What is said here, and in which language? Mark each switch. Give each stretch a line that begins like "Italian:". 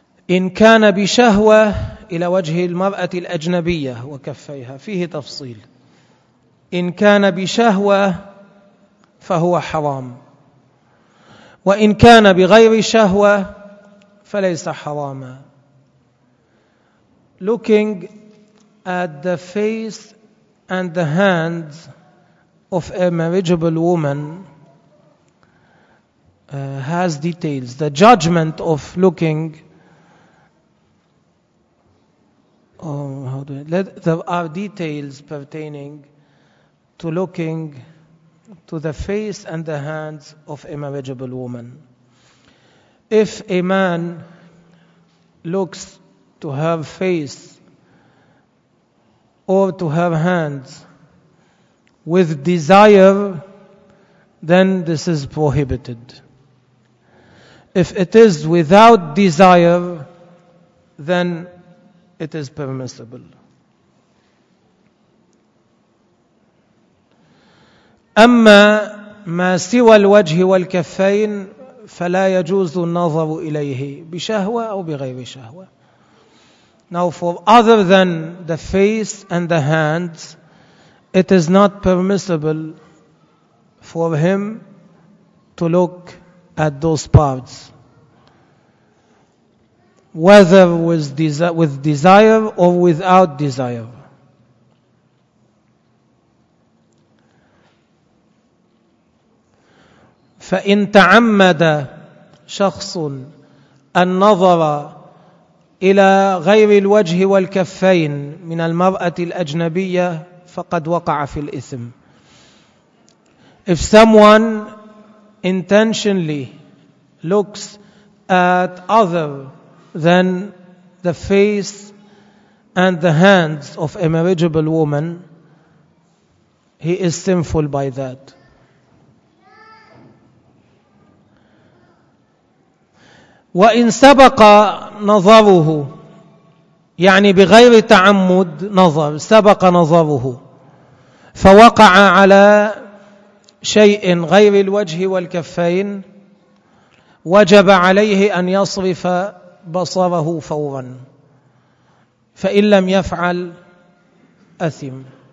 Arabic: إن كان بشهوة إلى وجه المرأة الأجنبية وكفيها فيه تفصيل. إن كان بشهوة فهو حرام. وإن كان بغير شهوة فليس حراما.
English: Looking at the face and the hands of a marriageable woman has details. The judgment of looking, there are details pertaining to looking to the face and the hands of a marriageable woman. If a man looks to her face or to her hands with desire, then this is prohibited. If it is without desire, then it is permissible.
Arabic: أما ما سوى الوجه والكفين فلا يجوز النظر إليه بشهوة أو بغير شهوة.
English: Now for other than the face and the hands, it is not permissible for him to look at those parts, whether with desire or without desire.
Arabic: فإن تعمد شخص النظر إلى غير الوجه والكفين من المرأة الأجنبية فقد وقع في الإثم.
English: If someone intentionally looks at other than the face and the hands of a marriageable woman, he is sinful by that.
Arabic: وإن سبق نظره يعني بغير تعمد نظر سبق نظره فوقع على شيء غير الوجه والكفين وجب عليه أن يصرف بصره فورا فإن لم يفعل أثم.